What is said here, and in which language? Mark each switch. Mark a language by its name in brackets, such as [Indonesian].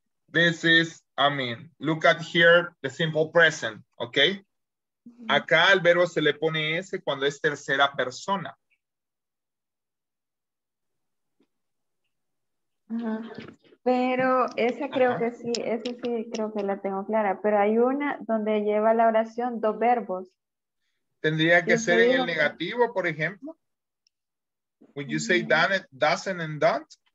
[English] This is, I mean, look at here, the simple present, okay? Mm-hmm. [Spanish] Acá al verbo se le pone S cuando es tercera persona. Pero esa creo que sí, esa sí creo que la tengo clara. Pero hay una donde lleva la oración dos verbos. ¿Tendría que ser en el negativo, por ejemplo? [English] When you say done, it doesn't and don't.